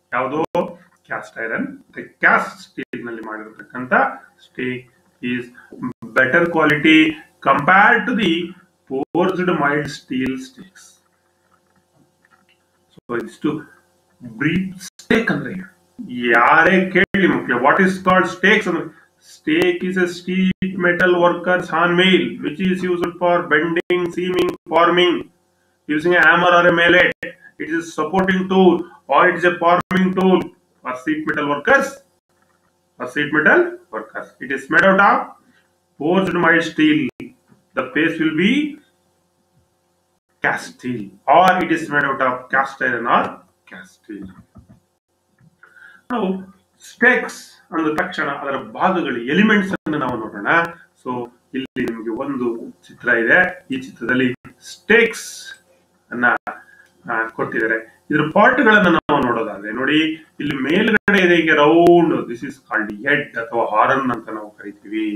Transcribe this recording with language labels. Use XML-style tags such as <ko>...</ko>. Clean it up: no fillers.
<kn>ಯಾವುದೋ</kn> <en>cast iron cast steel</en> <kn>ನಲ್ಲಿ ಮಾಡಿರತಕ್ಕಂಥ</kn> <en>Stake is better quality compare to the forged mild steel stakes.</en> <kn>So ಇಷ್ಟು brief. Stake ಅಂದ್ರೆ ಯಾರೇ ಕೇಳಿ ಮುಖ್ಯ,</kn> <en>what is called stakes</en> <kn>ಅಂದ್ರೆ</kn> <en>Stake is a sheet metal worker's handmill, which is used for bending, seaming, forming using a hammer or a mallet. It is a supporting tool or it is a forming tool for sheet metal workers. It is made out of forged mild steel. The face will be cast steel, or it is made out of cast iron or cast steel. Now, stakes.</en> <kn>ಅಂದ ತಕ್ಷಣ ಅದರ ಭಾಗಗಳು elements ಅನ್ನು ನಾವು ನೋಡೋಣ. So ಇಲ್ಲಿ ನಿಮಗೆ ಒಂದು ಚಿತ್ರ ಇದೆ. ಈ ಚಿತ್ರದಲ್ಲಿ ಸ್ಟೇಕ್ಸ್ ಅನ್ನ ಕೊಟ್ಟಿದ್ದಾರೆ. ಇದರ ಪಾರ್ಟ್ಗಳನ್ನು ನಾವು ನೋಡೋದಾದ್ರೆ ನೋಡಿ, ಇಲ್ಲಿ ಮೇಲ್ಗಡೆ ಇದೆ ಹೀಗೆ round,</kn> <en>this is called head</en> <kn>ಅಥವಾ ಹಾರನ್ ಅಂತ ನಾವು ಕರಿತೀವಿ.</kn>